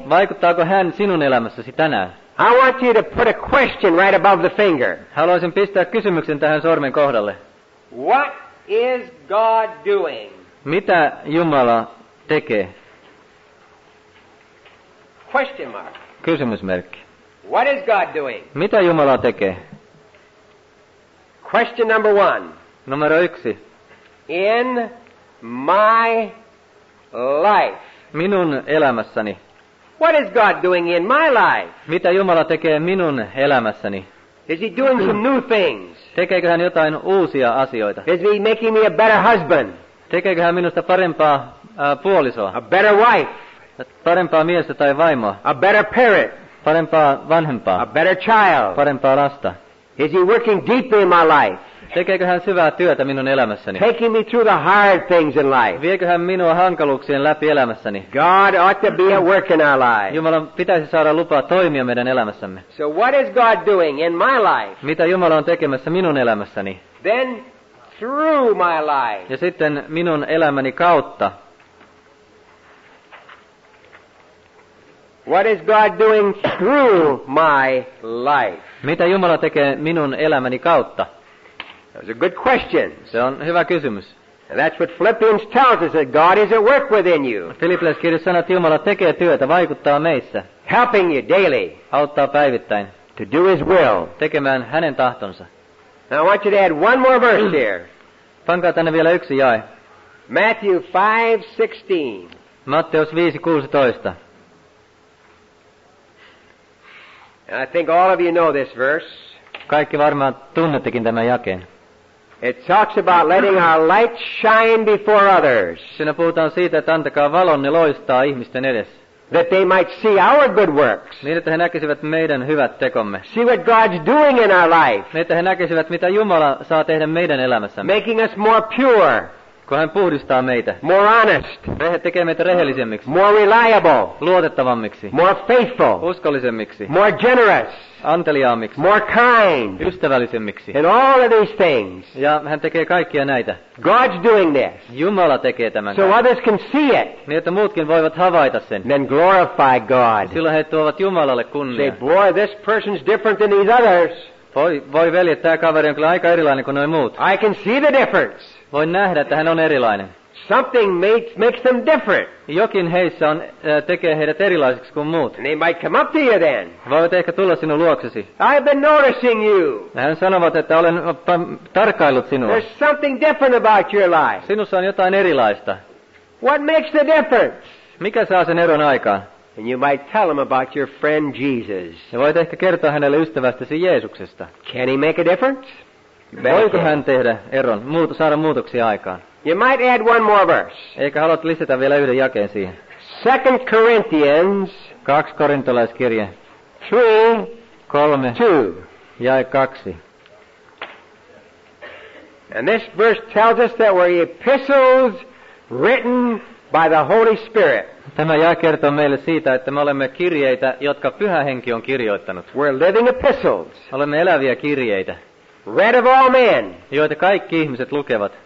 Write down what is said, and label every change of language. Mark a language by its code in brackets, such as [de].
[fi] Vaikuttaako hän sinun elämässäsi tänään? [en] I want you to put a question right above the finger. [fi] Haluaisin pistää kysymyksen tähän sormen kohdalle. [en] What is God doing? [fi] Mitä Jumala tekee? [en] Question mark. [fi] Kysymysmerkki. [en] What is God doing? [fi] Mitä Jumala tekee? [en] Question number one. [fi] Numero yksi. [en] In my life. [fi] Minun elämässäni. [en] What is God doing in my life? [fi] Mitä Jumala tekee minun elämässäni? [en] Is he doing some new things? [fi] Tekeekö hän jotain uusia asioita? [en] Is he making me a better husband? [fi] Tekeekö hän minusta parempaa puolisoa? [en] A better wife. [fi] Parempaa miestä tai vaimoa? [en] A better parent. [fi] Parempaa vanhempaa? [en] A better child. [fi] Parempaa lasta? [en] Is he working deeply in my life? [fi] Tekeekö hän syvää työtä minun elämässäni? [en] Taking me through the hard things in life. [fi] Viekö hän minua hankaluuksien läpi elämässäni? [en] God ought to be at work in our life. [fi] Jumalan pitäisi saada lupaa toimia meidän elämässämme. [en] So what is God doing in my life? [fi] Mitä Jumala on tekemässä minun elämässäni? [en] Then through my life. [fi] Ja sitten minun elämäni kautta. [en] What is God doing through my life? [fi] Mitä Jumala tekee minun elämäni kautta? [en] That's a good question. [fi] Se on hyvä kysymys. [en] And that's what Philippians tells us, that God is at work within you. [fi] Filippiläiskirja sanoo, että Jumala tekee työtä, vaikuttaa meissä. [en] Helping you daily. [fi] Auttaa päivittäin. [en] To do his will. [fi] Tekemään hänen tahtonsa. [en] Now I want you to add one more verse here. [fi] Pankaa tänne vielä yksi jae. [en] Matthew 5:16. [fi] Matteus 5:16. [en] I think all of you know this verse. [fi] Kaikki varmaan tunnettekin tämän jakeen. [en] It talks about letting our light shine before others. [fi] Siinä puhutaan siitä, että antakaa valonne loistaa ihmisten edessä. [en] That they might see our good works. [fi] Niin, että he näkisivät meidän hyvät tekomme. [en] See what God's doing in our life. [fi] Niin, että he näkisivät, mitä Jumala saa tehdä meidän elämässämme. [en] Making us more pure. [fi] Kun hän puhdistaa meitä. [en] More honest. [fi] Hän tekee meitä rehellisemmiksi. [en] More reliable. [fi] Luotettavammiksi. [en] More faithful. [fi] Uskollisemmiksi. [en] More generous. [fi] Anteliaammiksi. [en] More kind. [fi] Ystävällisemmiksi. [en] And all of these things. [fi] Ja hän tekee kaikkia näitä. [en] God's doing this. [fi] Jumala tekee tämän. [en] So others can see it. [fi] Niin, että muutkin voivat havaita sen. [en] Then glorify God. [fi] Sillä he tuovat Jumalalle kunnia. [en] Say, boy, this person's different than these others. [fi] Voi veljet, tämä kaveri on kyllä aika erilainen kuin noin muut. [en] I can see the difference. [fi] Voin nähdä, että hän on erilainen. [en] Something makes them different. [fi] Jokin heissä on, tekee heidät erilaisiksi kuin muut. [en] And they might come up to you then. [fi] Voivat ehkä tulla sinun luoksesi. [en] I've been noticing you. [fi] Hän sanovat, että olen tarkkaillut sinua. [en] There's something different about your life. [fi] Sinussa on jotain erilaista. [en] What makes the difference? [fi] Mikä saa sen eron aikaan? [en] And you might tell him about your friend Jesus. [fi] Ja voit ehkä kertoa hänelle ystävästäsi Jeesuksesta. [en] Can he make a difference? [fi] Voiko hän tehdä eron, saada muutoksia aikaan? [en] You might add one more verse. [fi] Eikä haluat lisätä vielä yhden jakeen siihen. [en] 2 Corinthians. [fi] 2 Korintolaiskirje. [en] 3. 2. [fi] Jae 2. [en] And this verse tells us that were epistles written by the Holy Spirit. [fi] Tämä jae kertoo meille siitä, että me olemme kirjeitä, jotka Pyhä Henki on kirjoittanut. [en] We're living epistles. [fi] Olemme eläviä kirjeitä. [en] Read of all men. [fi] Joita kaikki ihmiset lukevat.